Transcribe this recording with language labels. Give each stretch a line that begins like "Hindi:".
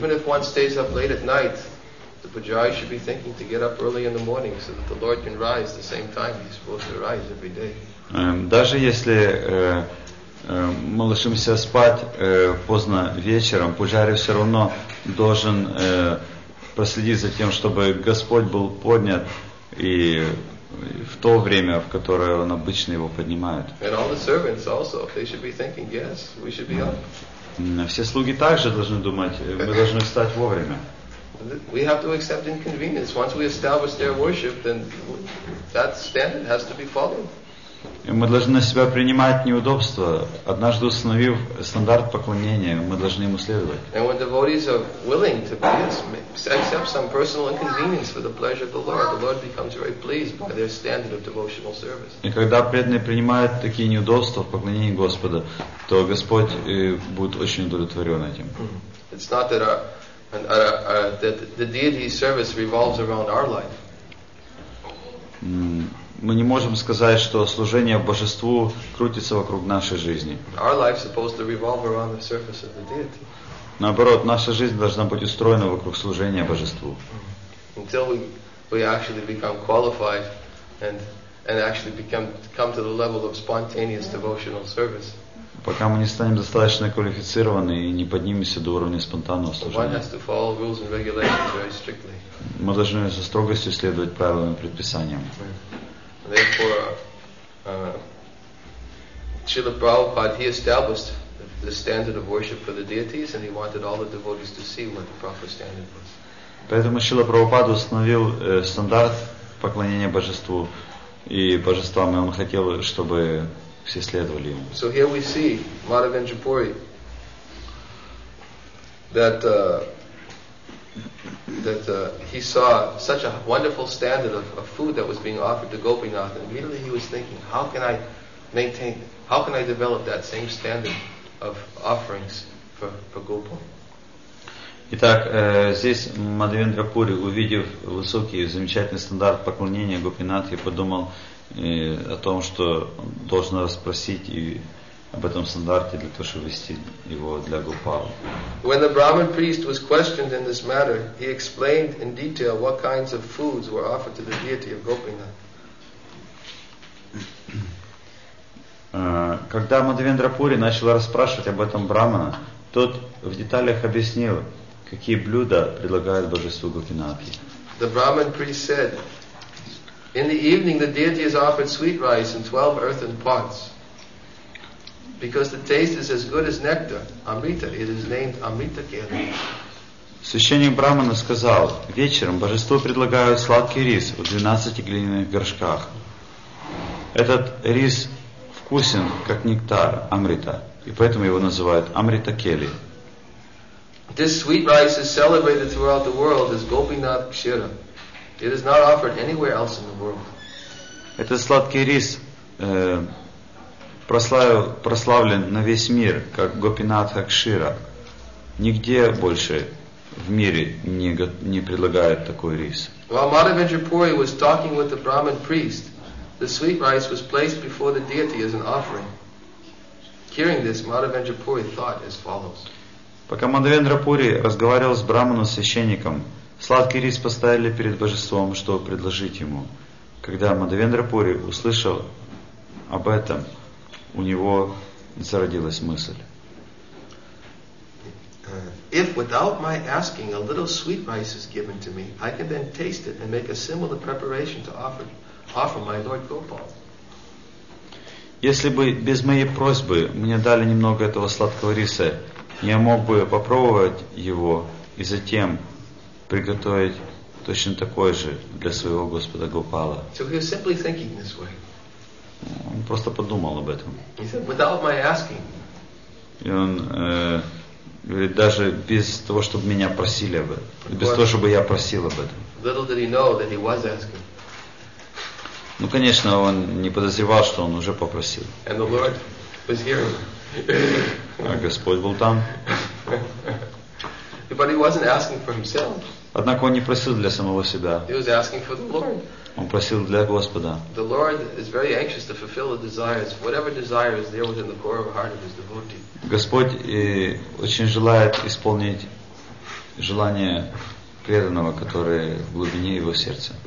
English: Even if one stays up late at night, the pujari should be thinking to get up early in the morning so that the Lord can rise at the same time he's supposed to rise every day.
Russian: Даже если мы ложимся спать поздно вечером, пуджари все равно должен проследить за тем, чтобы Господь был поднят и в то время, в которое он обычно его поднимает.
English: And all the servants also, they should be thinking, yes, we should be up.
Russian: Все слуги также должны думать, мы должны встать вовремя.
English: We have to accept inconvenience. Once we establish their worship, then that standard has to be followed.
Russian: И мы должны на себя принимать неудобства. Однажды установив стандарт поклонения, мы должны ему следовать.
English: And when devotees are willing to accept some personal inconvenience for the pleasure of the Lord becomes very pleased by their standard of devotional service.
Russian: И когда преданные принимают такие неудобства в поклонении Господа, то Господь будет очень удовлетворен этим.
English: It's not that that the deity's service revolves around our life.
Russian: Мы не можем сказать, что служение Божеству крутится вокруг нашей жизни.
English: Our life is supposed to revolve around the surface of the deity.
Russian: Наоборот, наша жизнь должна быть устроена вокруг служения Божеству.
English: Until we actually become qualified and actually come to the level of spontaneous devotional service.
Russian: Пока мы не станем достаточно квалифицированы и не поднимемся до уровня спонтанного служения.
English: One has to follow rules and regulations very strictly.
Russian: Мы должны со строгостью следовать правилам и предписаниям.
English: Therefore, Srila Prabhupada, he established the standard of worship for the deities, and he wanted all the devotees to see what the proper standard was.
Russian: Поэтому Шрила Прабхупада установил стандарт поклонения божеству и божествам, и он хотел, чтобы все следовали ему.
English: So here we see Madhavendra Puri that he saw such a wonderful standard of food that was being offered to Gopinath, and immediately he was thinking, how can I develop that same standard of offerings for Gopal?
Russian: Итак, здесь Мадхавендра Пури, увидев высокий, замечательный стандарт поклонения Гопинат, я подумал о том, что должен расспросить и об этом стандарте для того, чтобы вести его для Гопала.
English: When the Brahmin priest was questioned in this matter, he explained in detail what kinds of foods were offered to the deity of Gopinath.
Russian: Когда Мадхавендра Пури начал расспрашивать об этом брахмана, тот в деталях объяснил, какие блюда предлагают божеству Гопинатхи.
English: The Brahmin priest said, in the evening the deity is offered sweet rice in 12 earthen pots. Because the taste is as good as nectar, Amrita, it is named Amrita Kela.
Russian: Священник Брахмана сказал, вечером божеству предлагают сладкий рис в 12 глиняных горшках. Этот рис вкусен, как нектар, Амрита, и поэтому его называют Амрита Кели.
English: This sweet rice is celebrated throughout the world as Gopinath Kshira. It is not offered anywhere else in the world.
Russian: Этот сладкий рис прославлен на весь мир как Гопинатха Кшира. Нигде больше в мире не предлагают такой рис.
English: While Madhavendra Puri was talking with the Brahmin priest, the sweet rice was placed before the deity as an offering. Hearing this, Madhavendra Puri thought as follows.
Russian: Пока Мадхавендра Пури разговаривал с Брахманом, священником, сладкий рис поставили перед божеством, чтобы предложить ему. Когда Мадхавендра Пури услышал об этом, у него зародилась мысль.
English: If without my asking a little sweet rice is given to me, I can then taste it and make a similar preparation to offer my Lord Gopal.
Russian: Если бы без моей просьбы мне дали немного этого сладкого риса, я мог бы попробовать его и затем приготовить точно такое же для своего Господа Гопала.
English: So he was simply thinking this way.
Russian: Он просто подумал об этом.
English: He said, without my asking.
Russian: И он говорит, даже без того, чтобы меня просили об этом. Без того, чтобы я просил об этом.
English: Little did he know that he was asking.
Russian: Ну, конечно, он не подозревал, что он уже попросил.
English: And the Lord was hearing.
Russian: А Господь был там.
English: But he wasn't asking for himself.
Russian: Однако он не просил для самого себя.
English: He was asking for the Lord.
Russian: Он просил для Господа.
English: The Lord is very anxious to fulfill the desires, whatever desire is there within the core of the heart of his devotee.
Russian: Господь очень желает исполнить желание преданного, который в глубине его сердца.